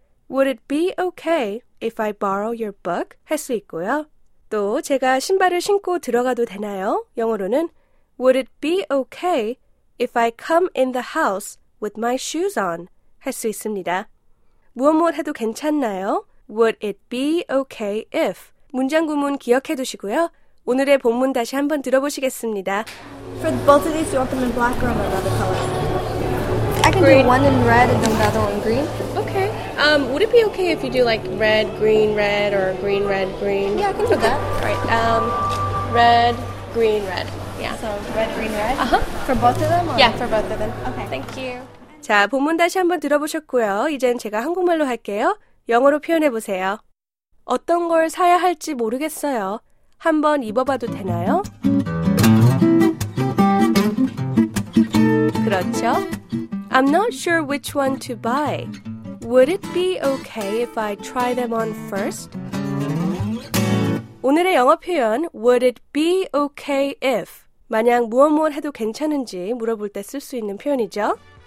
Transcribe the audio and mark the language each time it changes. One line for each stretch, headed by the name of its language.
English: Would it be okay if I borrow your book?
Korean: 할 수 있고요. 또 제가 신발을 신고 들어가도 되나요? 영어로는
English: Would it be okay If I come in the house with my shoes on,
Korean: 할 수 있습니다. 무엇 무엇 해도 괜찮나요?
English: Would it be okay if?
Korean: 문장 구문 기억해 두시고요. 오늘의 본문 다시 한번 들어보시겠습니다.
English: For both of these, you want them in black or another color? I can green. Do one in red and then the other one green. Okay. Would it be okay if you do like red, green, red or green, red, green? Yeah, I can do okay. that. Right. Red, green, red. Yeah. So, red, green, red? Uh-huh. For both of them? Yeah, for both of them. Okay. Thank you.
Korean: 자, 본문 다시 한번 들어보셨고요. 이젠 제가 한국말로 할게요. 영어로 표현해 보세요. 어떤 걸 사야 할지 모르겠어요. 한번 입어봐도 되나요? 그렇죠?
English: I'm not sure which one to buy. Would it be okay if I try them on first?
Korean: 오늘의 영어 표현,
English: Would it be okay if?
Korean: 만약 무엇 무엇 해도 괜찮은지 물어볼 때 쓸 수 있는 표현이죠.